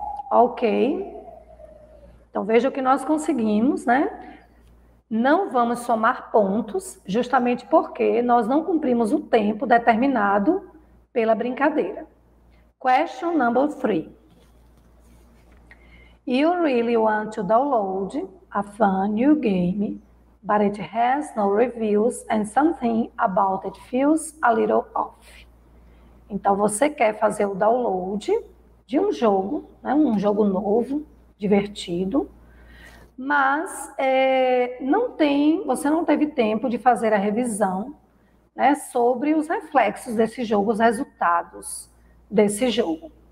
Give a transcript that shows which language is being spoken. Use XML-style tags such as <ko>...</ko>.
<pt>Ok. Então veja o que nós conseguimos, né? Não vamos somar pontos justamente porque nós não cumprimos o tempo determinado pela brincadeira.</pt> <en>Question number 3. You really want to download a fun new game, but it has no reviews and something about it feels a little off.</en> <pt>Então você quer fazer o download de um jogo, né? Um jogo novo, divertido, mas você não teve tempo de fazer a revisão, né, sobre os reflexos desse jogo, os resultados desse jogo.</pt>